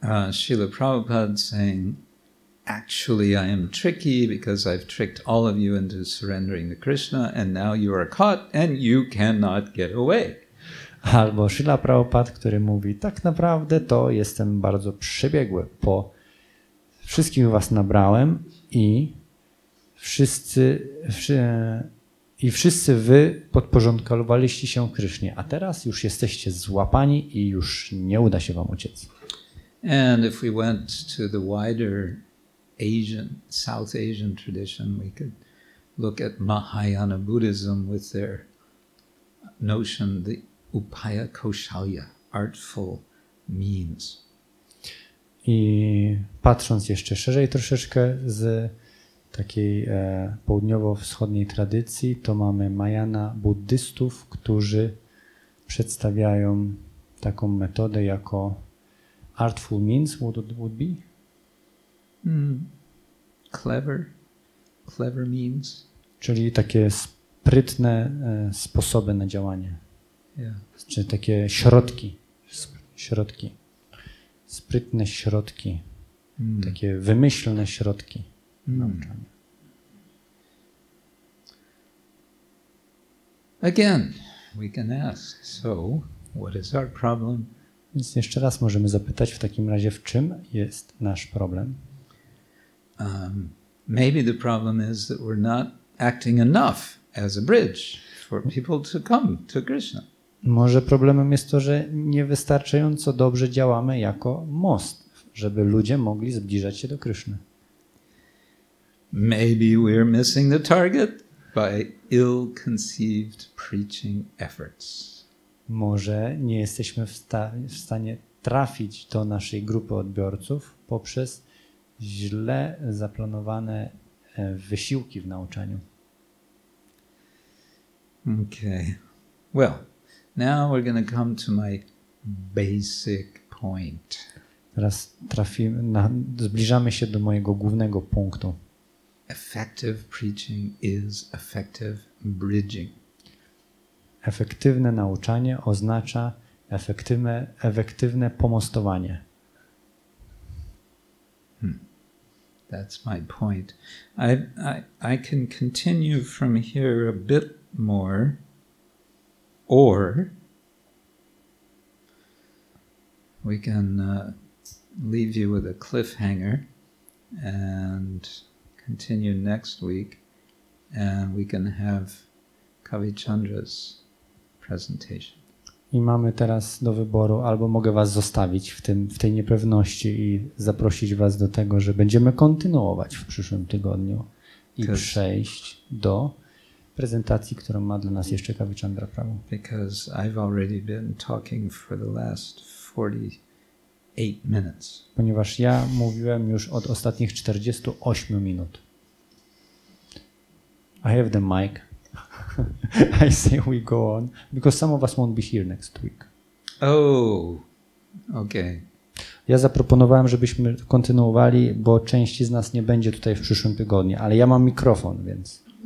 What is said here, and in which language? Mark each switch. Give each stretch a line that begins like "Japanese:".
English: Śrila Prabhupada saying, actually I am tricky because I've tricked all of you into surrendering to Krishna and now you are caught and you cannot get away.
Polish: Albo Śrila Prabhupada, który mówi, tak naprawdę to jestem bardzo przebiegły, bo wszystkich was nabrałem i wszyscy wy podporządkowaliście się Krysznie, a teraz już jesteście złapani i już nie uda się wam uciec.
English: And if we went to the wider Asian, South Asian tradition, we could look at Mahayana Buddhism with their notion the upaya kaushalya, artful means.
Polish: I patrząc jeszcze szerzej troszeczkę z takiej południowo-wschodniej tradycji, to mamy Mahayana buddystów, którzy przedstawiają taką metodę jako
English: artful means, what it would be? Clever. clever means.
Polish: Czyli takie sprytne sposoby na działanie.
English: Yeah.
Polish: Czyli takie środki. Środki. Sprytne środki. Mm. Takie wymyślne środki. Mm.
English: Again, we can ask. So, what is our problem?
Polish: Więc jeszcze raz możemy zapytać w takim razie, w czym jest nasz problem?
English: Maybe the problem is that we're not acting enough as a bridge for people to come to Krishna.
Polish: Może problemem jest to, że niewystarczająco dobrze działamy jako most, żeby ludzie mogli zbliżać się do Kryszny.
English: Maybe we're missing the target by ill-conceived preaching efforts.
Polish: Może nie jesteśmy w stanie trafić do naszej grupy odbiorców poprzez źle zaplanowane wysiłki w nauczaniu.
English: Okay. Well, now we're going to come to my basic point.
Polish: Teraz zbliżamy się do mojego głównego punktu.
English: Effective preaching is effective bridging.
Polish: Efektywne nauczanie oznacza efektywne pomostowanie.
English: That's my point. I can continue from here a bit more, or we can leave you with a cliffhanger and continue next week, and we can have Kavichandra's presentation.
Polish: I mamy teraz do wyboru, albo mogę was zostawić w tej niepewności i zaprosić was do tego, że będziemy kontynuować w przyszłym tygodniu i przejść do prezentacji, którą ma dla nas jeszcze Kavichandra Prabhu.
English: Because I've already been talking for the last 48 minutes.
Polish: Ponieważ ja mówiłem już od ostatnich 48 minut.
English: I have the mic. I say we go on, because some of us won't be here next week. Oh, okay.
Polish: Ja zaproponowałem, żebyśmy kontynuowali, bo część z nas nie będzie tutaj w przyszłym tygodniu, ale ja mam mikrofon, więc...